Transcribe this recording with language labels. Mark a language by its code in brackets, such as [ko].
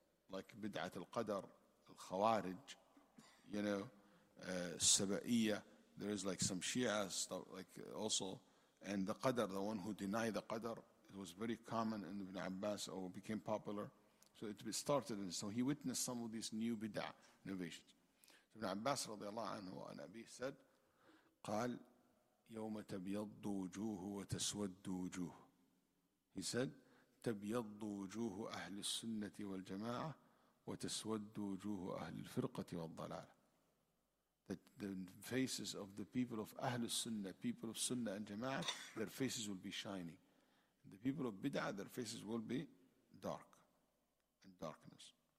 [en] Like Bid'at al-Qadr, al-Khawarij, you know, Saba'iyya, there is like some Shia stuff, like also, and the Qadr, the one who denied the Qadr, it was very common in Ibn Abbas, or became popular. So it started, and so he witnessed some of these new Bid'ah innovations. So Ibn Abbas radiallahu anhu an Abi said, [ar] قال يوم تبيض وجوه وتسود وجوه. [en] He said, [ar] تبيض وجوه أهل السنة والجماعة وتسود وجوه أهل الفرقة والضلال. [en] That the faces of the people of [ar] أهل السنة, [en] people of Sunnah and Jama'ah, their faces will be shining. The people of Bid'ah, their faces will be dark. Darkness.